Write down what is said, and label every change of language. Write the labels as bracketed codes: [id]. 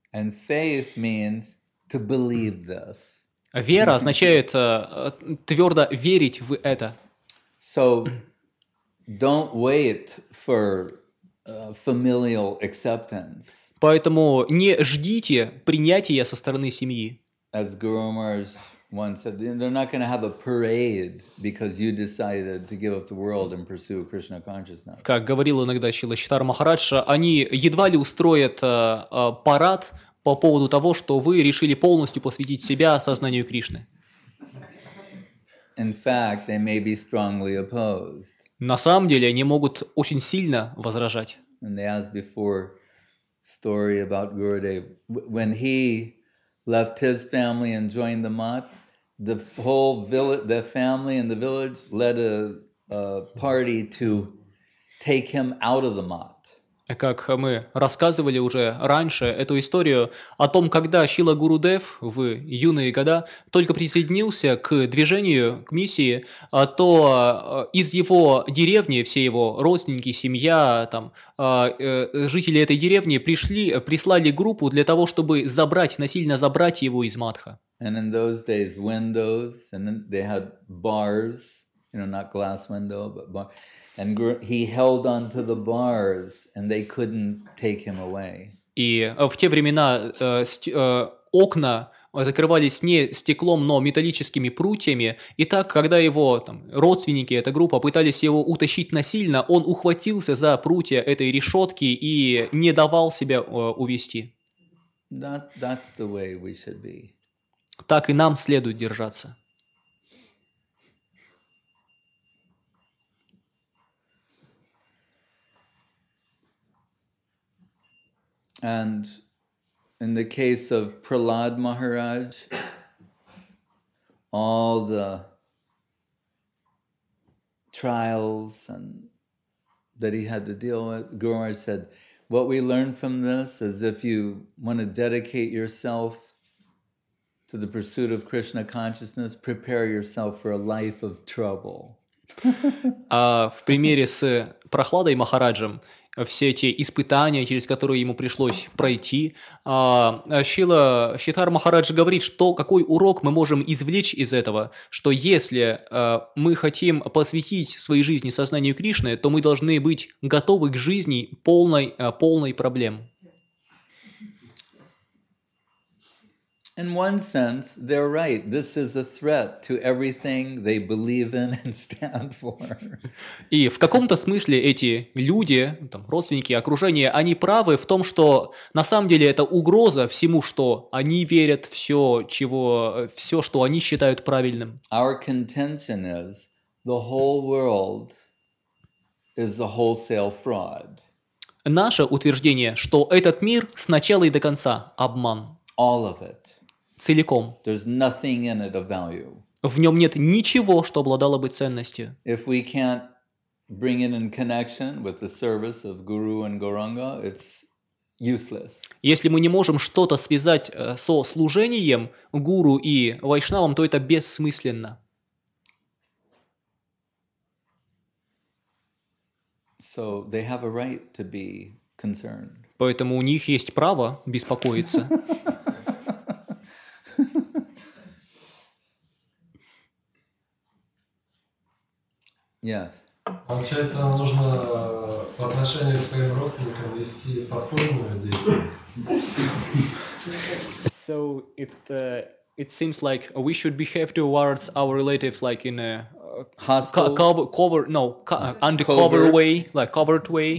[en] And faith means to believe this. [ru] Вера означает твердо верить в это. [en] So, don't wait for familial acceptance. [ru] Поэтому не ждите принятия со стороны семьи. [en] As Guru Maharaj once said, they're not going to have a parade because you decided to give up the world and pursue Krishna consciousness. [ru] Как говорил иногда Шрила Читар Махарадж, они едва ли устроят парад по поводу того, что вы решили полностью посвятить себя сознанию Кришны. [en] In fact, they may be strongly opposed. [ru] На самом деле, они могут очень сильно возражать. [en] And they asked before story about Gurudev. When he left his family and joined the Math, the whole village, the family and the village led a party to take him out of the Math. [ru] Как мы рассказывали уже раньше эту историю о том, когда Шрила Гурудев в юные года только присоединился к движению, к миссии, то из его деревни, все его родственники, семья, там, жители этой деревни пришли, прислали группу для того, чтобы забрать, насильно забрать его из Матха. [en] And in those days windows, and they had bars, you know, not glass window, but bar. And he held on to the bars, and they couldn't take him away. [ru] И в те времена окна закрывались не стеклом, но металлическими прутьями. И так, когда его там, родственники, эта группа, пытались его утащить насильно, он ухватился за прутья этой решетки и не давал себя увести. [en] That's the way we should be. [ru] Так и нам следует держаться. [en] And in the case of Prahlad Maharaj, all the trials and that he had to deal with, Guru Maharaj said, what we learn from this is if you want to dedicate yourself to the pursuit of Krishna consciousness, prepare yourself for a life of trouble. [ru] В примере с Прохладой Махараджем, все эти испытания, через которые ему пришлось пройти. Шрила Читар Махарадж говорит, что какой урок мы можем извлечь из этого, что если мы хотим посвятить своей жизни сознанию Кришны, то мы должны быть готовы к жизни полной проблем. [en] In one sense, they're right. This is a threat to everything they believe in and stand for. [ru] И в каком-то смысле эти люди, там, родственники, окружение, они правы в том, что на самом деле это угроза всему, что они верят, все, что они считают правильным. [en] Our contention is the whole world is a wholesale fraud. [ru] Наше утверждение, что этот мир с начала и до конца обман. [en] All of it. [ru] Целиком. [en] There's nothing in it of value. [ru] В нем нет ничего, что обладало бы ценностью. [en] If we can't bring it in connection with the service of Guru and Gauranga, it's useless. [ru] Если мы не можем что-то связать со служением Гуру и Вайшнавам, то это бессмысленно. [en] So they have a right to be concerned. [ru] Поэтому у них есть право беспокоиться. [en] Yes. [ru] Получается, нам нужно по отношению к своим родственникам вести подпольную деятельность. [en] So it seems like we should behave towards our relatives like in a undercover covert way, like covert way,